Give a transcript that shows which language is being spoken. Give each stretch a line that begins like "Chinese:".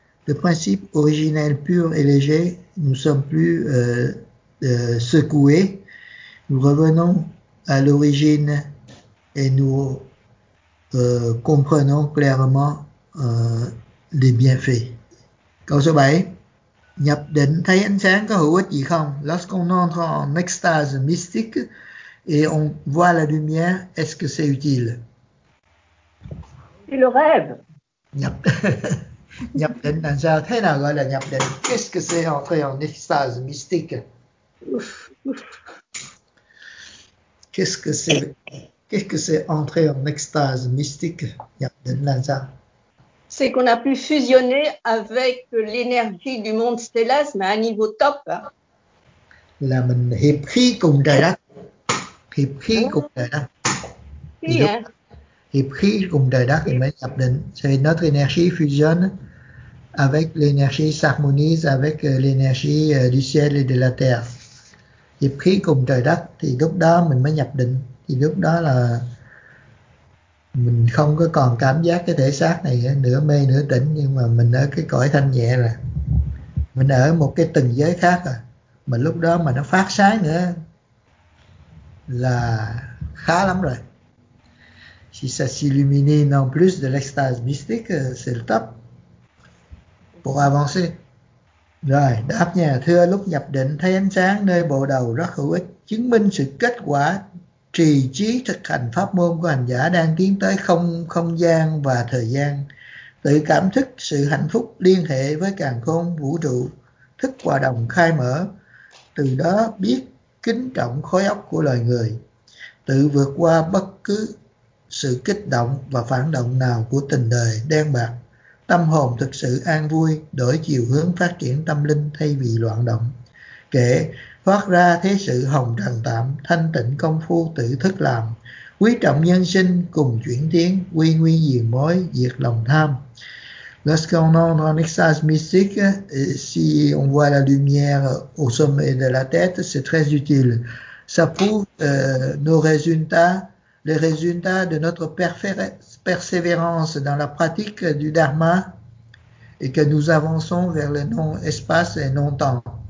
French: Le principe originel pur et léger, nous sommes plus secoués Nous revenons à l'origine et nous comprenons clairement les bienfaits.
Vietnamese: Câu số 7. Nhập định thấy ánh sáng có hữu ích gì không?
French: Lorsqu'on entre en extase mystique et on voit la lumière, est-ce que c'est utile? C'est le rêve.
Vietnamese: Nhập, nhập định là sao? Thế nào gọi là nhập định?
French: Qu'est-ce que c'est entrer en extase mystique? Qu'est-ce que c'est entrer en extase mystique?
Vietnamese: Nhập định là sao?
French: C'est qu'on a pu fusionner avec l'énergie du monde stellaire, mais à un niveau top.
Vietnamese: Là, mình hiệp khí cùng trời đất. Hiệp khí cùng trời đất. Hiệp khí cùng trời đất thì mới nhập định.
French: C'est notre énergie fusionne avec l'énergie, s'harmonise avec l'énergie du ciel et de la terre.
Vietnamese: Hiệp khí cùng trời đất thì lúc đó mình mới nhập định. Thì lúc đó là mình không có còn cảm giác cái thể xác này nữa, mê nữa tỉnh, nhưng mà mình ở cái cõi thanh nhẹ là mình ở một cái tầng giới khác rồi. Mà lúc đó mà nó phát sáng nữa là khá lắm rồi.
French: Si ça s'illumine en plus de l'extase mystique, c'est le top pour avancer.
Vietnamese: Rồi, đáp nha. Thưa, lúc nhập định thấy ánh sáng nơi bộ đầu rất hữu ích, chứng minh sự kết quả trì trí thực hành pháp môn của hành giả đang tiến tới không gian và thời gian, tự cảm thức sự hạnh phúc liên hệ với càn khôn vũ trụ, thức hòa đồng khai mở, từ đó biết kính trọng khối óc của loài người, tự vượt qua bất cứ sự kích động và phản động nào của tình đời đen bạc, tâm hồn thực sự an vui, đổi chiều hướng phát triển tâm linh thay vì loạn động, kể thoát ra thế sự hồng trần tạm, thanh tịnh công phu tự thức làm, quý trọng nhân sinh cùng chuyển tiến, quy nguyên diện mối diệt lòng tham.
French: Lorsqu'on entre en extase mystique, si on voit la lumière au sommet de la tête, c'est très utile. Ça prouve nos résultats, les résultats de notre persévérance dans la pratique du dharma et que nous avançons vers le non-espace et non-temps.